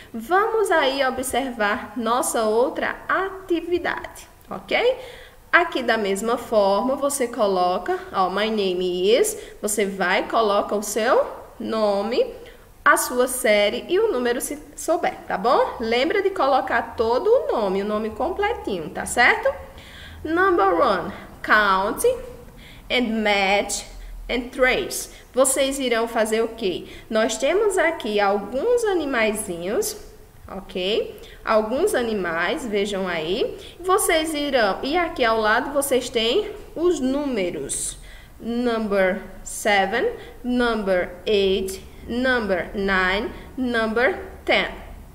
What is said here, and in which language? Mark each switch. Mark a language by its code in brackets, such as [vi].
[pt] Vamos aí observar nossa outra atividade, ok? Aqui da mesma forma, você coloca, ó, [en] my name is. [pt] Você vai, coloca o seu nome, a sua série e o número se souber, tá bom? Lembra de colocar todo o nome completinho, tá certo? [en] Number one, count and match and trace. [pt] Vocês irão fazer o quê? Nós temos aqui alguns animaizinhos, ok? Alguns animais, vejam aí. Vocês irão, e aqui ao lado vocês têm os números. [en] Number seven, number eight, number 9, number 10.